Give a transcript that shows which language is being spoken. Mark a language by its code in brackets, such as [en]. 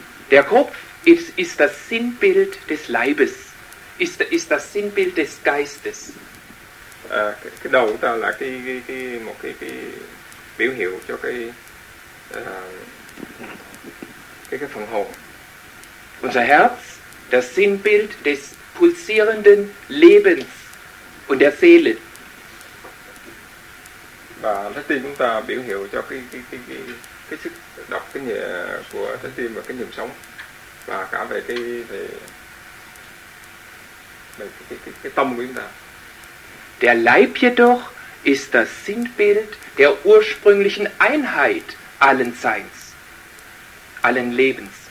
[de] Der Kopf ist das Sinnbild des Leibes, ist das Sinnbild des Geistes. [vi] Cái đầu chúng ta là một cái biểu hiệu cho cái phần hồn. [de] Unser Herz, das Sinnbild des pulsierenden Lebens und der Seele. [vi] Và trái tim chúng ta biểu hiệu cho cái sức đập cái nhịp của trái tim và cái nhịp sống và cả về cái tâm của chúng ta. [de] Der Leib jedoch ist das Sinnbild der ursprünglichen Einheit allen Seins, allen Lebens.